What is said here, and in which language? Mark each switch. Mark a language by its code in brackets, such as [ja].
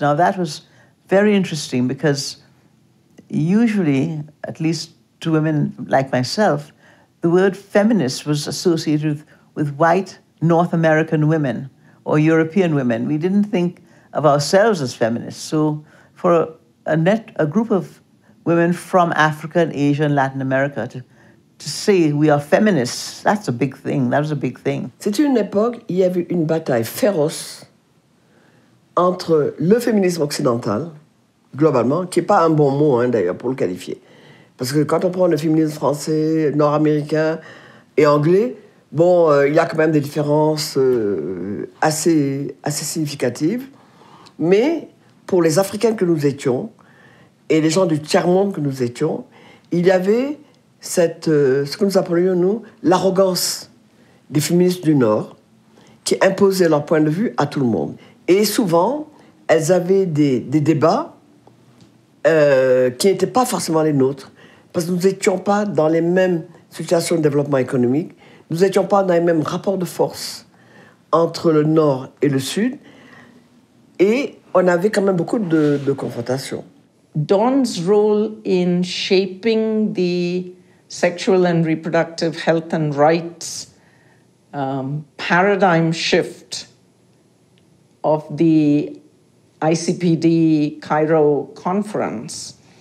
[en] Now, that was very interesting because usually, at least to women like myself, the word feminist was associated with white North American women or European women. We didn't think of ourselves as feminists. So for a group of women from Africa and Asia and Latin America to say we are feminists, that's a big thing. That was a big thing. [fr] C'était une époque, il y avait une bataille féroce entre le féminisme occidental, globalement, qui n'est pas un bon mot, hein, d'ailleurs, pour le qualifier. Parce que quand on prend le féminisme français, nord-américain et anglais, bon, il y a quand même des différences assez significatives. Mais pour les Africains que nous étions et les gens du tiers-monde que nous étions, il y avait ce que nous appelions, nous, l'arrogance des féministes du Nord qui imposaient leur point de vue à tout le monde. Et souvent, elles avaient des débats qui n'étaient pas forcément les nôtres parce que nous n'étions pas dans les mêmes situations de développement économique, nous n'étions pas dans les mêmes rapports de force entre le Nord et le Sud. Et on avait quand même beaucoup de confrontations. [en] Dawn's role in shaping the sexual and reproductive health and rights paradigm shift of the ICPD Cairo conference